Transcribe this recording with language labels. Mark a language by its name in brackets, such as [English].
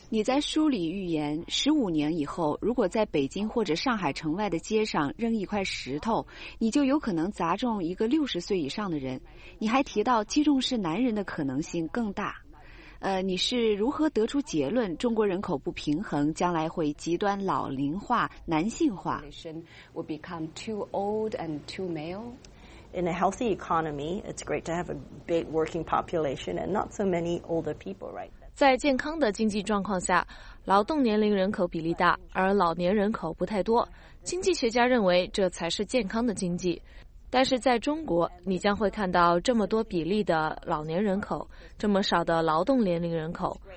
[Chinese] 你在书里预言，15年以后，如果在北京或者上海城外的街上扔一块石头，你就有可能砸中一个60岁以上的人。你还提到击中是男人的可能性更大。你是如何得出结论中国人口不平衡将来会极端老龄化、男性化？ [English] Will become too old and too male. In a healthy economy, it's great to have a big working population and not so many older people, right? [Chinese] 在健康的经济状况下，劳动年龄人口比例大，而老年人口不太多。经济学家认为这才是健康的经济。但是在中国，你将会看到这么多比例的老年人口，这么少的劳动年龄人口。